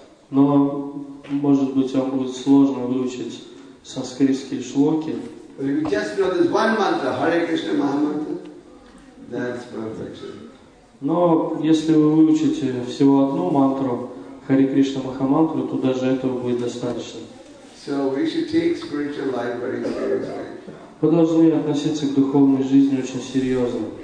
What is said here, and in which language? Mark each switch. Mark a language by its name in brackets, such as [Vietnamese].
[Russian] Но, может быть, вам будет сложно выучить санскритские шлоки. Но если вы выучите всего одну мантру, Хари Кришна Махамантру, то даже этого будет достаточно. [English] So we should take spiritual life very seriously. [Russian] Вы должны относиться к духовной жизни очень серьезно.